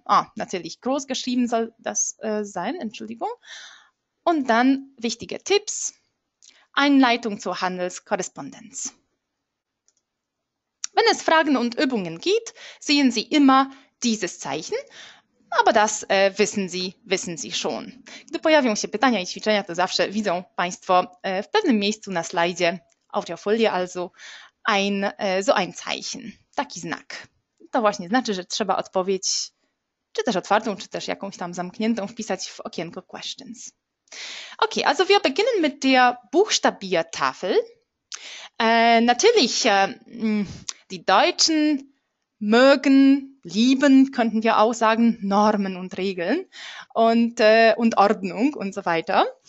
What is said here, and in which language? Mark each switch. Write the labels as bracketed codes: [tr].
[de] Ah, natürlich groß geschrieben soll das sein, Entschuldigung. Und dann wichtige Tipps, Einleitung zur Handelskorrespondenz. Wenn es Fragen und Übungen gibt, sehen Sie immer dieses Zeichen. Aber das wissen Sie schon. [pl] Gdy pojawią się pytania i ćwiczenia, to zawsze widzą Państwo w pewnym miejscu na slajdzie, [de] auf der Folie also, so ein Zeichen, [pl] taki znak. To właśnie znaczy, że trzeba odpowiedź, czy też otwartą, czy też jakąś tam zamkniętą, wpisać w okienko questions. [de] Okay, also wir beginnen mit der Buchstabiertafel. Natürlich, die Deutschen mögen, lieben, könnten wir auch sagen, Normen und Regeln und Ordnung und so weiter.